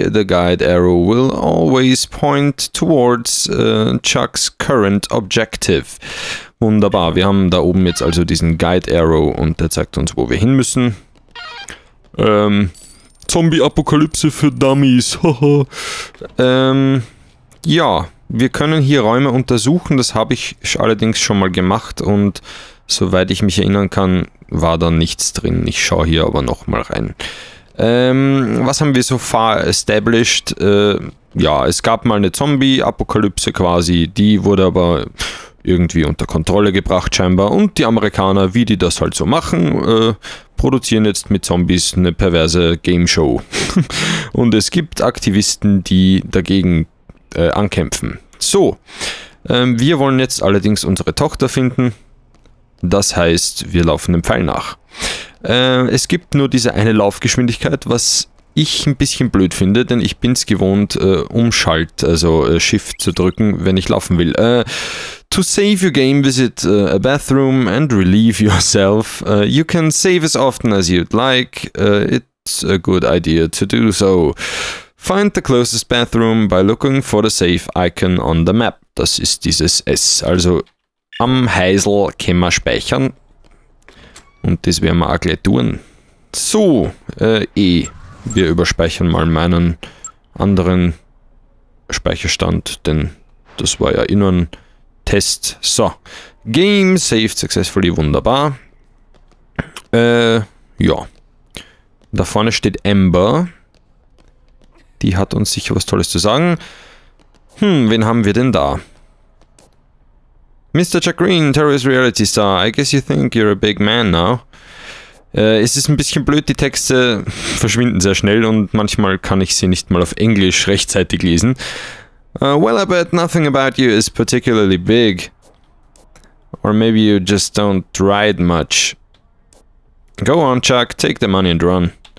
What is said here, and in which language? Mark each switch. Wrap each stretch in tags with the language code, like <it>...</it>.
<en>The guide arrow will always point towards Chuck's current objective.</en> <de>Wunderbar, wir haben da oben jetzt also diesen guide arrow und der zeigt uns, wo wir hin müssen. Zombie-Apokalypse für Dummies. ja, wir können hier Räume untersuchen. Das habe ich allerdings schon mal gemacht. Und soweit ich mich erinnern kann, war da nichts drin. Ich schaue hier aber nochmal rein. Was haben wir</de> <en>so far established?</en> <de>Ja, es gab mal eine Zombie-Apokalypse quasi. Die wurde aber irgendwie unter Kontrolle gebracht scheinbar. Und die Amerikaner, wie die das halt so machen, produzieren jetzt mit Zombies eine perverse Gameshow. Und es gibt Aktivisten, die dagegen ankämpfen. So, wir wollen jetzt allerdings unsere Tochter finden. Das heißt, wir laufen dem Pfeil nach. Es gibt nur diese eine Laufgeschwindigkeit, was ich ein bisschen blöd finde, denn ich bin es gewohnt, Umschalt, also Shift zu drücken, wenn ich laufen will.</de> <en>To save your game, visit a bathroom and relieve yourself. You can save as often as you'd like. It's a good idea to do so. Find the closest bathroom by looking for the save icon on the map.</en> <de>Das ist dieses S. Also am Häusl können wir speichern. Und das werden wir auch gleich tun. So, wir überspeichern mal meinen anderen Speicherstand, denn das war ja innen Test.</de> <en>So, Game saved successfully,</en> <de>wunderbar. Ja. Da vorne steht Amber. Die hat uns sicher was Tolles zu sagen. Wen haben wir denn da? Mr.</de> <en>Chuck Green, Terrorist Reality Star. I guess you think you're a big man now.</en> <de>Es ist ein bisschen blöd, die Texte verschwinden sehr schnell und manchmal kann ich sie nicht mal auf Englisch rechtzeitig lesen.</de> <en>Well, I bet nothing about you is particularly big. Or maybe you just don't ride much. Go on, Chuck, take the money and run.</en>